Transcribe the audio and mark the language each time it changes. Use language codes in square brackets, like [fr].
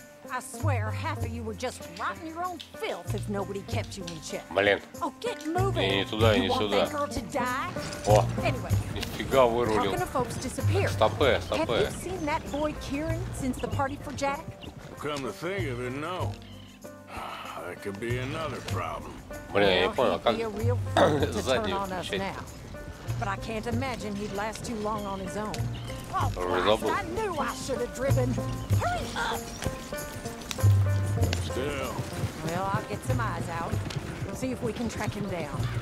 [en] I swear half of you were just rotting your own filth if nobody kept you in check. [ru] Блин. [en] Oh, get moving. [ru] Не туда, не сюда. [en] You want that girl to die? О. Anyway. [ru] Фига вырулил. Стопэ, стопэ. [en] Have you seen that boy Kieran since the party for Jack? Come to think of it, no. that could be another problem. [ru] Блин, я не понял, как заднюю включать. [en] But I can't imagine he'd last too long on his own. Oh, Christ, I knew I should have driven. Hurry up! Still. Well, I'll get some eyes out. We'll see if we can track him down.